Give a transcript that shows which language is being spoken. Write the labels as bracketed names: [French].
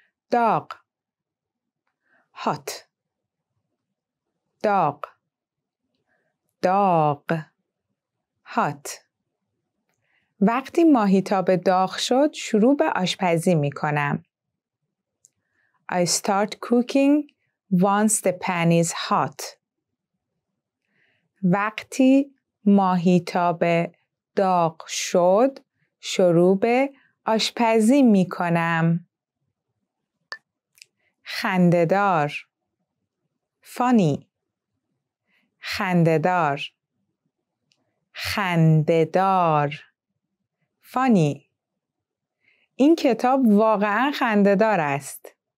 [Persian] داغ [English] hot [Persian] داغ داغ hot وقتی ماهیتاب داغ شد شروع به آشپزی می کنم. [English] I start cooking once the pan is hot. [Persian] وقتی ماهیتاب داغ شد شروع به آشپزی می کنم. خنددار [English] funny [Persian] خنددار خنددار funny این کتاب واقعا خنددار است.